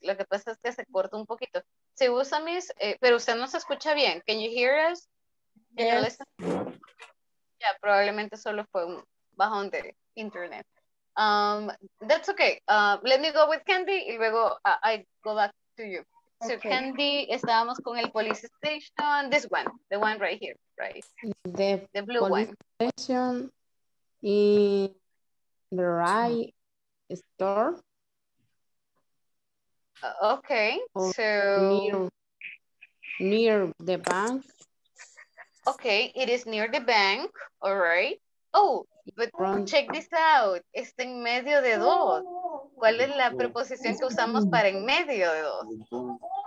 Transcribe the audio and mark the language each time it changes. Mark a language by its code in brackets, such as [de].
[es] Lo que pasa es que se corta un poquito. Se usa, Miss, pero usted no se escucha bien. [en] Can you hear us? Yes. [es] Ya, yeah, probablemente solo fue un bajón de internet. [en] That's okay. Let me go with Candy [es] y luego [en] I go back to you. So okay. Candy, [es] estábamos con el [en] police station. This one, the one right here, right? The blue police one. Police station in the right store. Okay, or so. Near the bank. Okay, it is near the bank, all right. Oh, but check this out. [es] Está en medio de dos. ¿Cuál es la preposición que usamos para en medio de dos?